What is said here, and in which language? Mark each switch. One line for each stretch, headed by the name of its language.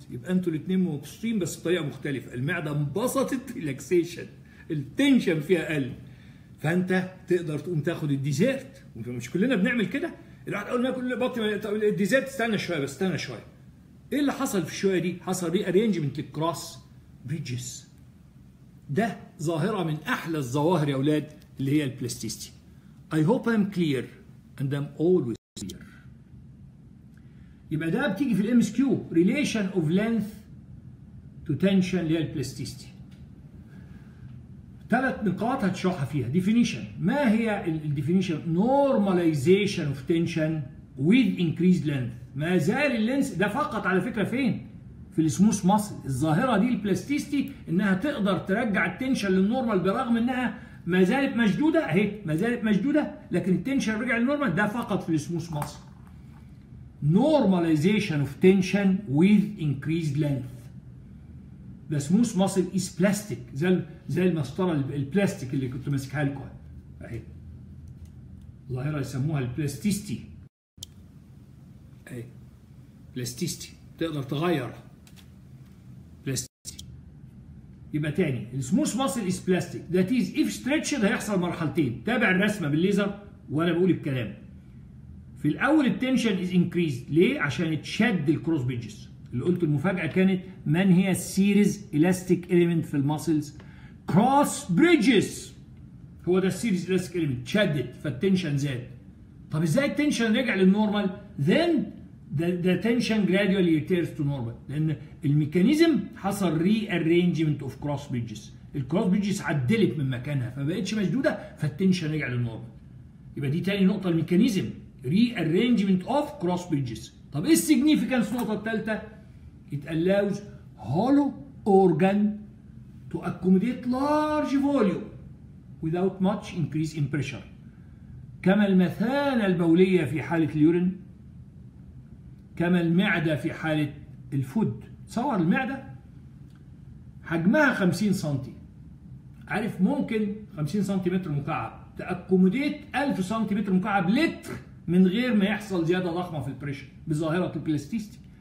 Arabic: يبقى انتوا الاثنين مبسوطين بس بطريقة مختلفة. المعدة انبسطت ريلاكسيشن التنشن فيها قل فانت تقدر تقوم تاخد الديزيرت. مش كلنا بنعمل كده؟ الواحد اول ما ياكل بطني الديزيرت استنى شوية بس استنى شوية. ايه اللي حصل في الشوية دي؟ حصل ري ارينجمنت للكروس بريدجز. ده ظاهرة من احلى الظواهر يا اولاد اللي هي البلاستيستي.
English: I hope I'm clear and I'm always clear.
Arabic: يبقى ده بتيجي في الام اس كيو
English: relation of length to tension
Arabic: اللي هي البلاستيستي. ثلاث نقاط هتشرحها فيها. ديفينيشن، ما هي الديفينيشن؟
English: Normalization of tension with increase length.
Arabic: ما زال اللينث ده فقط على فكره فين؟ في السموث ماسل. الظاهره دي البلاستيستي انها تقدر ترجع التنشن للنورمال برغم انها ما زالت مشدودة اهي، ما زالت مشدودة، لكن التنشن رجع للنورمال. ده فقط في السموث ماسك.
English: Normalization of tension with increased length. The smooth muscle is plastic.
Arabic: زي المسطرة البلاستيك اللي كنت ماسكها لكم اهي. ظاهرة يسموها البلاستيستي. اهي. بلاستيستي. تقدر تغير. بلاستيستي. يبقى تاني.
English: Smooth muscle is plastic. That is if stretched
Arabic: هيحصل مرحلتين. تابع الرسمة بالليزر وانا بقول بكلام. في الاول التنشن
English: is increase
Arabic: ليه؟ عشان تشد الكروس بيجز. اللي قلت المفاجاه كانت من هي السيريز الاستيك اليمنت في الماسلز كروس بريدجز، هو ده السيريز الاستيك اليمنت، شدت فالتنشن زاد. طب ازاي التنشن رجع للنورمال؟
English: then the tension gradually returns to normal,
Arabic: لان الميكانيزم حصل
English: Rearrangement of cross bridges.
Arabic: الكروس بريدجز عدلت من مكانها فبقتش مشدوده فالتنشن رجع للنورمال. يبقى دي تاني نقطه، الميكانيزم
English: rearrangement of cross bridges.
Arabic: طب ايه السيجنيفيكانس النقطه الثالثه؟
English: it allows hollow organ to accommodate large volume without much increase in pressure.
Arabic: كما المثانه البوليه في حاله اليورين، كما المعده في حاله الفود. تصور المعده حجمها 50 سنتي، عارف ممكن 50 سنتيمتر مكعب تاكوموديت 1000 سنتيمتر مكعب لتر من غير ما يحصل زيادة ضخمة في البريشر بظاهرة البلاستيستي.